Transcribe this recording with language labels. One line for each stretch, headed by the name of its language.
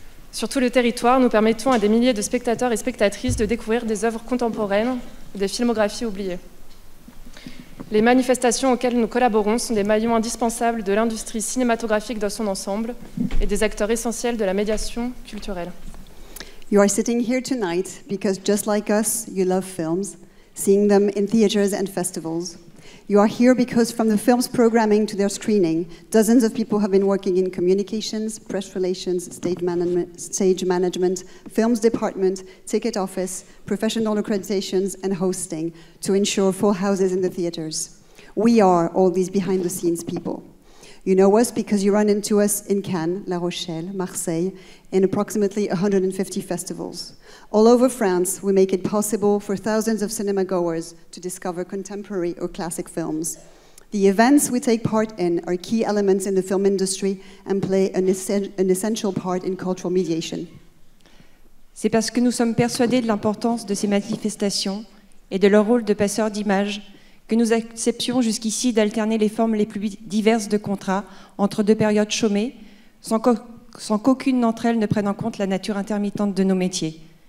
French: Sur tout le territoire, nous permettons à des milliers de spectateurs et spectatrices de découvrir des œuvres contemporaines, des filmographies oubliées. Les manifestations auxquelles nous collaborons sont des maillons indispensables de l'industrie cinématographique dans son ensemble et des acteurs essentiels de la médiation culturelle.
English: You are sitting here tonight because just like us, you love films. Seeing them in theaters and festivals. You are here because from the film's programming to their screening, dozens of people have been working in communications, press relations, stage management, films department, ticket office, professional accreditations, and hosting to ensure full houses in the theaters. We are all these behind the scenes people. You know us because you run into us in Cannes, La Rochelle, Marseille, in approximately 150 festivals. All over France, we make it possible for thousands of cinema goers to discover contemporary or classic films. The events we take part in are key elements in the film industry and play an essential part in cultural mediation.
French: C'est parce que nous sommes persuadés de l'importance de ces manifestations et de leur rôle de passeurs d'images que nous acceptions jusqu'ici d'alterner les formes les plus diverses de contrats entre deux périodes chômées, sans qu'aucune d'entre elles ne prenne en compte la nature intermittente de nos métiers.